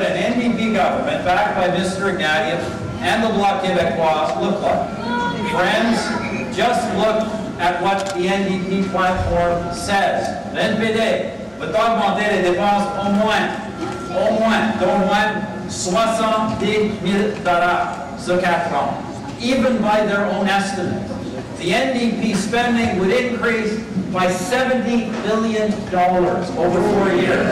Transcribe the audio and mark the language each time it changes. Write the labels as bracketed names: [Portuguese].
[English] And the Bloc Québécois look like. Friends, just look at what the NDP platform says. [French] L'NPD va augmenter les dépenses au moins 70 000 dollars sur 4 ans. [English] Even by their own estimates, the NDP spending would increase by $70 billion over 4 years.